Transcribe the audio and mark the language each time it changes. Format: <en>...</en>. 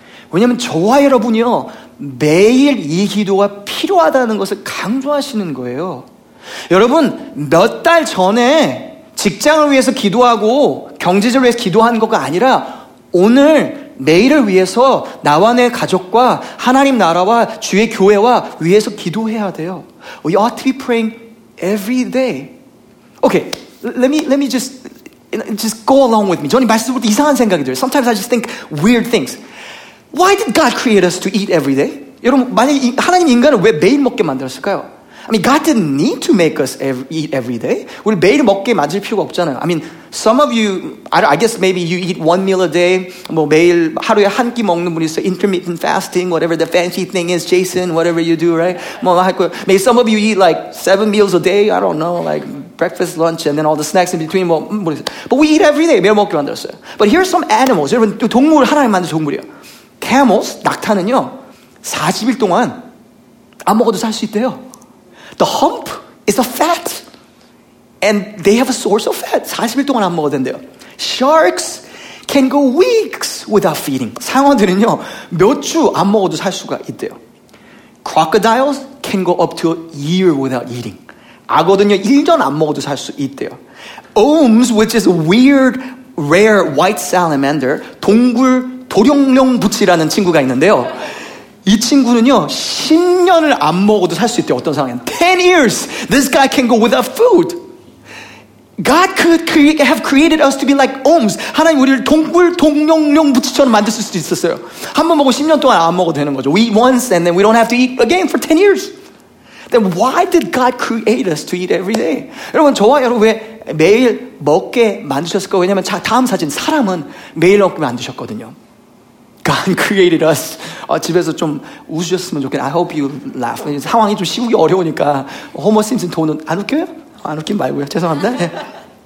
<ko>왜냐면 저와 여러분이요, 매일 이 기도가 필요하다는 것을 강조하시는 거예요. 여러분, 몇 달 전에 직장을 위해서 기도하고 경제적으로 위해서 기도하는 것이 아니라 오늘 매일을 위해서 나와 내 가족과 하나님 나라와 주의 교회와 위해서 기도해야 돼요.</ko> <en>We ought to be praying every day. Okay, let me just go along with me.</en> <ko>저는 말씀을 듣고 이상한 생각이 들어요.</ko> <en>Sometimes I just think weird things. Why did God create us to eat every day?</en> <ko>여러분, 만약에 하나님 인간을 왜 매일 먹게 만들었을까요?</ko> <en>I mean, God didn't need to make us eat every day.</en> <ko>우리 매일 먹게 맞을 필요가 없잖아요.</ko> <en>I mean, some of you, I guess maybe you eat one meal a day.</en> <ko>뭐 매일 하루에 한 끼 먹는 분이 있어.</ko> <en>Intermittent fasting, whatever the fancy thing is, Jason, whatever you do, right? 뭐, maybe some of you eat like 7 meals a day. I don't know, like breakfast, lunch, and then all the snacks in between. 뭐, but we eat every day.</en> <ko>매일 먹게 만들었어요.</ko> <en>But here are some animals.</en> <ko>여러분, 동물 하나에 만든 동물이에요. Camels, 낙타는요, 40일 동안 안 먹어도 살 수 있대요.</ko> <en>The hump is a fat. And they have a source of fat.</en> <ko>40일 동안 안 먹어댄대요.</ko> <en>Sharks can go weeks without feeding.</en> <ko>상어들은요, 몇 주 안 먹어도 살 수가 있대요.</ko> <en>Crocodiles can go up to a year without eating.</en> <ko>악어들은요, 1년 안 먹어도 살 수 있대요.</ko> <en>Ohms, which is a weird, rare white salamander,</en> <ko>동굴 도룡룡부치라는 친구가 있는데요. 이 친구는요, 10년을 안 먹어도 살 수 있대요, 어떤 상황에는.</ko> <en>10 years! This guy can go without food! God could have created us to be like ohms.</en> <ko>하나님 우리를 동굴 동룡룡 부치처럼 만들 수도 있었어요. 한번 먹고 10년 동안 안 먹어도 되는 거죠.</ko> <en>We eat once and then we don't have to eat again for 10 years. Then why did God create us to eat every day?</en> <ko>여러분, 저와 여러분 왜 매일 먹게 만드셨을까? 왜냐면 자, 다음 사진, 사람은 매일 먹게 만드셨거든요.</ko> <en>God created us.</en> <ko>집에서 좀 웃으셨으면 좋겠네.</ko> <en>I hope you laugh.</en> <ko>상황이 좀 시국이 어려우니까. 호머 심슨 돈은 안 웃겨요? 안 웃긴 말고요. 죄송합니다.</ko>